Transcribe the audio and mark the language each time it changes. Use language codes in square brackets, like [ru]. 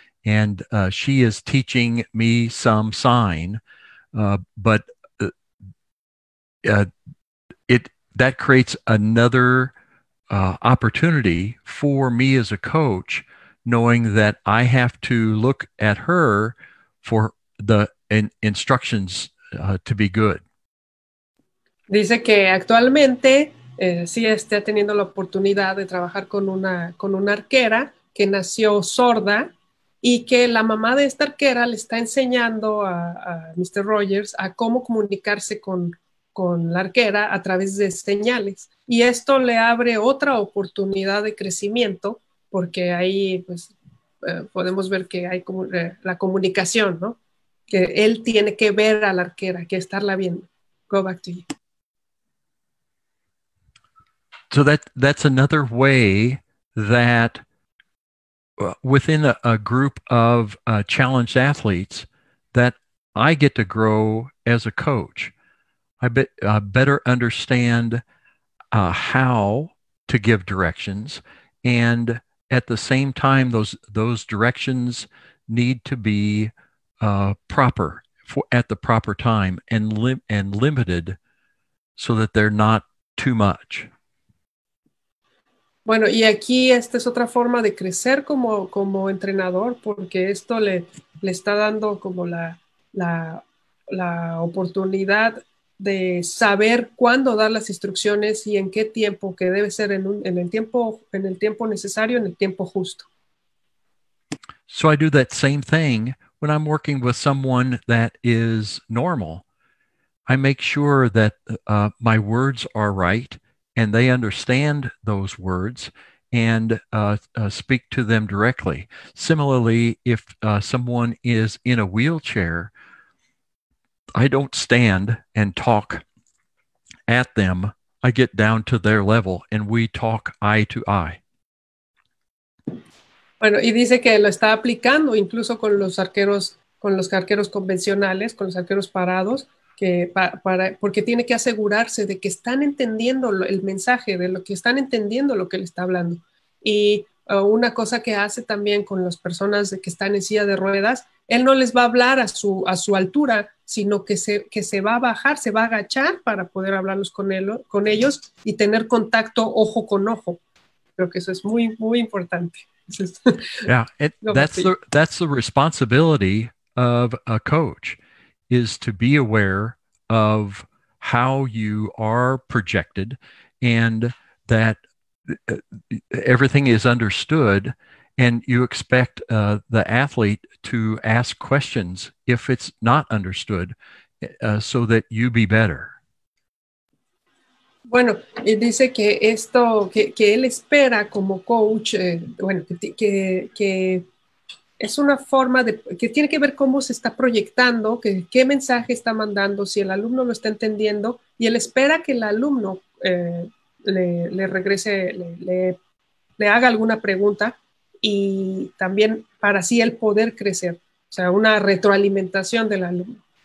[en] And she is teaching me some sign, but that creates another opportunity for me as a coach, knowing that I have to look at her for the instructions to be good. [es] Dice que actualmente sí está teniendo la oportunidad de trabajar con una arquera que nació sorda y que la mamá de esta arquera le está enseñando a Mr. Rogers a cómo comunicarse con la arquera a través de señales. Y esto le abre otra oportunidad de crecimiento, porque ahí pues podemos ver que hay como la comunicación, ¿no? Que él tiene que ver a la arquera, que estarla viendo. [en] Go back to you. So that's another way that within a group of challenged athletes that I get to grow as a coach. I better understand how to give directions, and at the same time, those directions need to be proper for at the proper time and limited so that they're not too much. [es] Bueno, y aquí esta es otra forma de crecer como entrenador, porque esto le está dando como la oportunidad de saber cuándo dar las instrucciones y en qué tiempo, que debe ser en el tiempo necesario, en el tiempo justo. [en] So I do that same thing when I'm working with someone that is normal. I make sure that my words are right, and they understand those words, and speak to them directly. Similarly, if someone is in a wheelchair, I don't stand and talk at them. I get down to their level, and we talk eye to eye. [es] Bueno, y dice que lo está aplicando incluso con los arqueros convencionales, con los arqueros parados, que para porque tiene que asegurarse de que están entendiendo el mensaje, de lo que están entendiendo lo que le está hablando. Y una cosa que hace también con las personas que están en silla de ruedas, él no les va a hablar a su altura, sino que se va a bajar, se va a agachar para poder hablarlos con ellos y tener contacto ojo con ojo. Creo que eso es muy muy importante. [en] Yeah, that's the responsibility of a coach, is to be aware of how you are projected, and that everything is understood, and you expect the athlete to ask questions if it's not understood, so that you be better. [es] Bueno, dice que esto, que él espera como coach, bueno, que es una forma de, que tiene que ver cómo se está proyectando, qué mensaje está mandando, si el alumno lo está entendiendo, y él espera que el alumno le regrese, le haga alguna pregunta, y también para así él poder crecer, o sea, una retroalimentación del alumno.